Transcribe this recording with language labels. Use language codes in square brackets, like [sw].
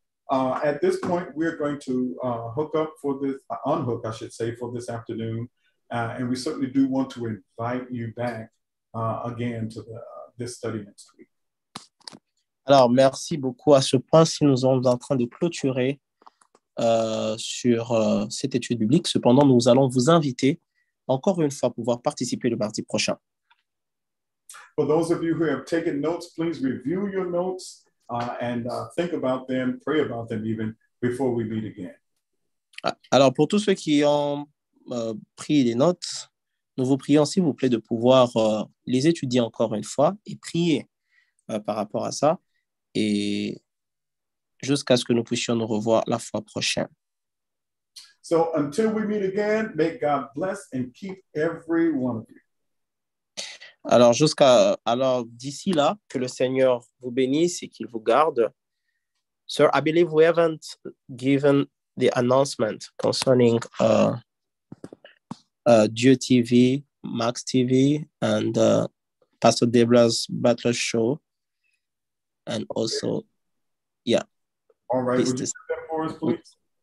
[en] At this point, we're going to unhook, for this afternoon. And we certainly do want to invite you back again to this study next week. [fr] Alors, merci beaucoup. À ce point, si nous sommes en train de clôturer sur cette étude biblique, cependant, nous allons vous inviter encore une fois à pouvoir participer le mardi prochain. [en] For those of you who have taken notes, please review your notes and think about them, pray about them even before we meet again. [fr] Alors, pour tous ceux qui ont pris des notes, nous vous prions s'il vous plaît de pouvoir les étudier encore une fois et prier par rapport à ça, et jusqu'à ce que nous puissions nous revoir la fois prochaine. [en] So until we meet again, may God bless and keep every one of you. [fr] Alors d'ici là, que le Seigneur vous bénisse et qu'il vous garde. [en] Sir, I believe we haven't given the announcement concerning Dieu TV, Max TV, and Pastor Debra's Butler Show, and also, yeah. All right, would you do that for us, please?